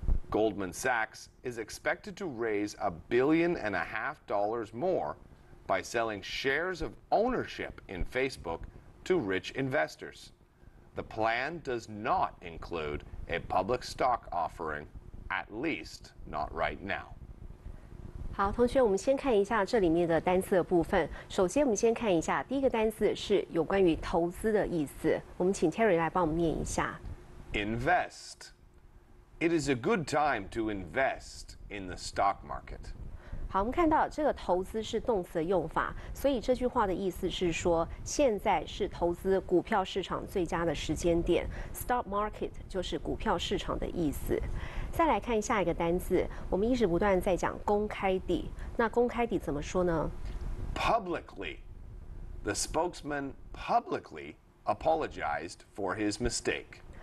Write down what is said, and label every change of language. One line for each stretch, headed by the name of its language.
English: Goldman Sachs is expected to raise $1.5 billion more. By selling shares of ownership in Facebook to rich investors. The plan does not include a public stock offering, at least not right now.
Chinese: 好，同学，我们先看一下这里面的单词的部分。首先，我们先看一下第一个单词是有关于投资的意思。我们请 Terry 来帮我们念一下。
English: Invest. It is a good time to invest in the stock market.
Chinese: 好，我们看到这个投资是动词的用法，所以这句话的意思是说，现在是投资股票市场最佳的时间点。 Stock market 就是股票市场的意思。再来看下一个单字，我们一直不断在讲公开地。那公开地怎么说呢
English: ？Publicly, the spokesman publicly apologized for his mistake.